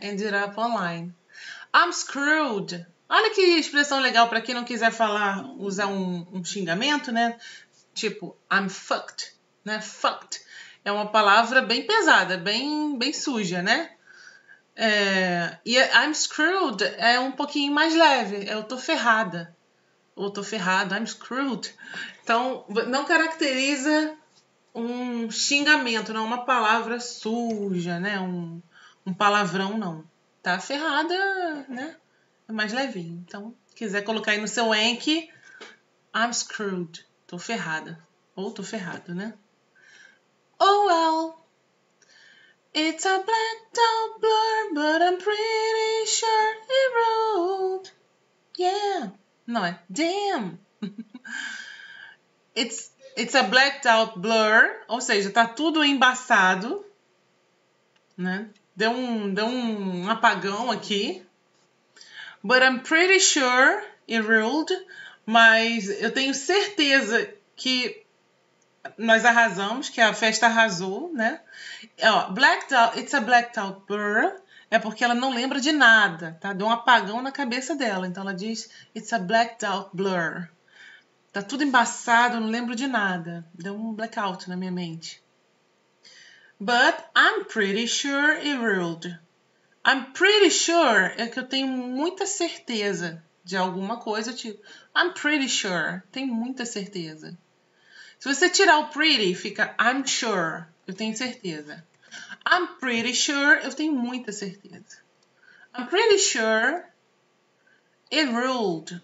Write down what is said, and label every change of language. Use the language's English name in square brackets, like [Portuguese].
[English] Ended up online. I'm screwed. [Portuguese] Olha que expressão legal para quem não quiser falar, usar um xingamento, né? Tipo, [English] I'm fucked, [Portuguese] né? Fucked. É uma palavra bem pesada, bem suja, né? E [English] I'm screwed [Portuguese] é um pouquinho mais leve, eu tô ferrada. Ou tô ferrado, [English] I'm screwed. [Portuguese] Então, não caracteriza um xingamento, não é uma palavra suja, né? Um palavrão, não. Tá ferrada, né? É mais levinho. Então, quiser colocar aí no seu Anki, [English] I'm screwed. [Portuguese] Tô ferrada. Ou tô ferrado, né? [English] Oh well. It's a black dog blur, but I'm pretty sure he wrote. Yeah. [Portuguese] Não é. [English] Damn. It's a blacked out blur. [Portuguese] Ou seja, tá tudo embaçado. Né? Deu um apagão aqui. [English] But I'm pretty sure it ruled. [Portuguese] Mas eu tenho certeza que nós arrasamos. Que a festa arrasou, né? Blacked out. [English] It's a blacked out blur. [Portuguese] É porque ela não lembra de nada, tá? Deu um apagão na cabeça dela. Então, ela diz, [English] it's a blacked out blur. [Portuguese] Tá tudo embaçado, não lembro de nada. Deu um blackout na minha mente. [English] But I'm pretty sure it ruled. I'm pretty sure [Portuguese] é que eu tenho muita certeza de alguma coisa. Tipo, [English] I'm pretty sure. [Portuguese] Tenho muita certeza. Se você tirar o pretty, fica [English] I'm sure. [Portuguese] Eu tenho certeza. [English] I'm pretty sure, [Portuguese] eu tenho muita certeza. [English] I'm pretty sure it ruled.